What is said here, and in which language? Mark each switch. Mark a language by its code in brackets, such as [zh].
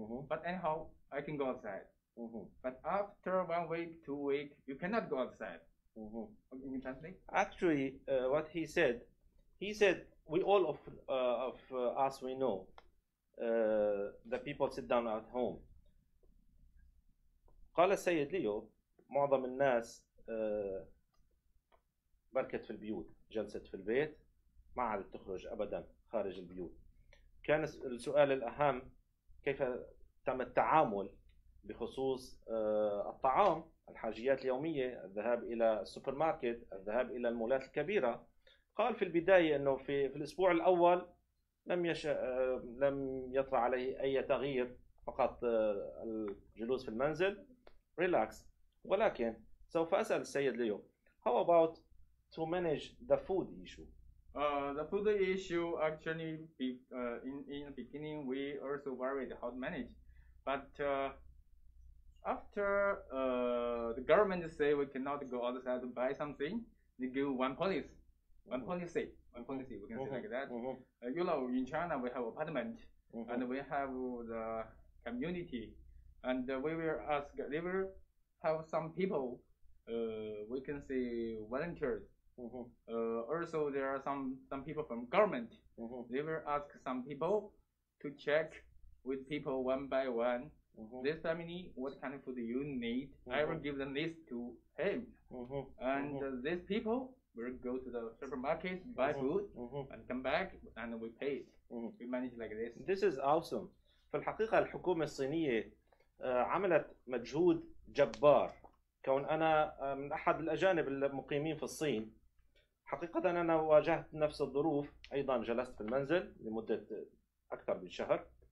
[en] But anyhow, I can go outside. But after 1 week, 2 weeks, you cannot go outside. Can you translate? Actually, what he said, we all of us, we know that people sit down at home. [ar] قال السيد ليو معظم الناس بركت في البيوت جلست في البيت ما عادت تخرج أبدا خارج البيوت. كان السؤال الأهم كيف تم التعامل بخصوص الطعام الحاجيات اليومية الذهاب إلى السوبر ماركت الذهاب إلى المولات الكبيرة. قال في البداية أنه في الأسبوع الأول لم يطرع عليه أي تغيير فقط الجلوس في المنزل [en] relax. [ar] ولكن سوف أسأل السيد ليو [en] how about to manage the food issue? The food issue actually in the beginning we also worried how to manage, but after the government say we cannot go outside to buy something, they give one policy. One policy, we can say like that. You know, in China we have apartment and we have the community, and we will ask, they will have some people, we can say volunteers. Also, there are some people from government. They will ask some people to check with people one by one. This family, what kind of food do you need? I will give the list to him. And these people, we'll go to the supermarket, buy food, and come back, and we pay it. We manage like this. This is awesome. [ar] في الحقيقة الحكومة الصينية عملت مجهود جبار. كون أنا من أحد الأجانب المقيمين في الصين. حقيقة أنا واجهت نفس الظروف. أيضا جلست في المنزل لمدة أكثر من شهر.